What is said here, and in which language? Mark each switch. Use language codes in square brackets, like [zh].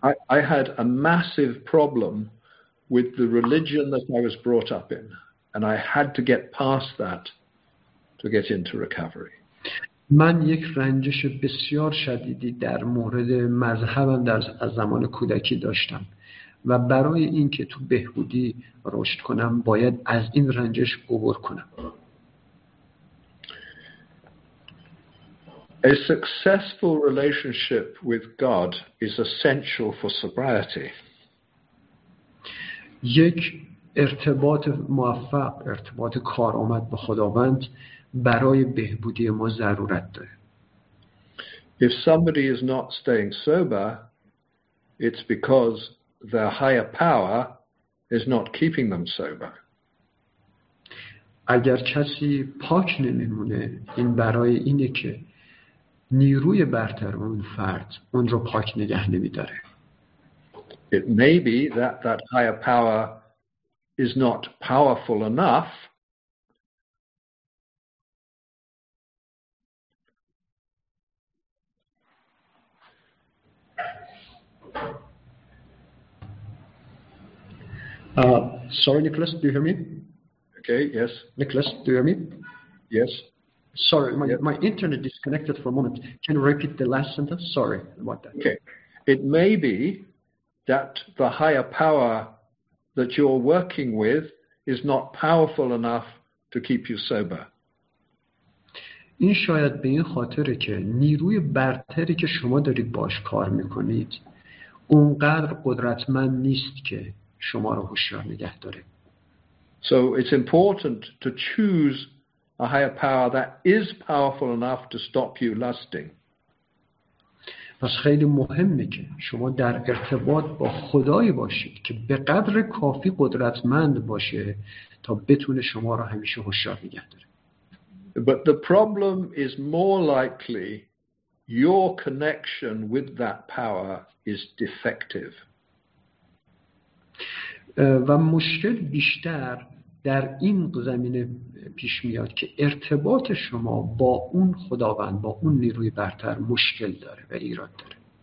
[en] I had a massive problem with the religion that I was brought up in, and I had to get past that to get into recovery. [fa] من یک رنجش بسیار شدیدی در مورد مذهبم در از زمان کودکی داشتم و برای اینکه تو بهبودی رشد کنم باید از این رنجش عبور کنم. [en] A successful relationship with God is essential for sobriety. [fa] یک ارتباط موفق، ارتباط کارآمد با خداوند برای بهبودی ما ضرورت داره. [en] If somebody is not staying sober, it's because their higher power is not keeping them sober. [fa] اگر کسی پاک نمیمونه، این برای اینه که نیروی برتر اون فرد اون رو پاک نگه نمیداره. [en] It may be that that higher power is not powerful enough. Sorry, Nicholas, do you hear me? Okay, yes. Nicholas, do you hear me? Yes. Sorry, my internet disconnected for a moment. Can you repeat the last sentence? Sorry about that. Okay. It may be that the higher power that you're working with is not powerful enough to keep you sober. [fa] این شاید به این خاطره که نیروی برتری که شما دارید باش کار میکنید اونقدر قدرتمند نیست که شما رو هوشیار نگه داره. [en] So it's important to choose a higher power that is powerful enough to stop you lusting. [fa] پس خیلی مهمه که شما در ارتباط با خدایی باشید که به قدر کافی قدرتمند باشه تا بتونه شما رو همیشه هوشیار نگه داره. [en] But the problem is more likely your connection with that power is defective. [fa] و مشکل بیشتر در این زمینه پیش میاد که ارتباط شما با اون خداوند، با اون نیروی برتر مشکل داره و ایراد داره.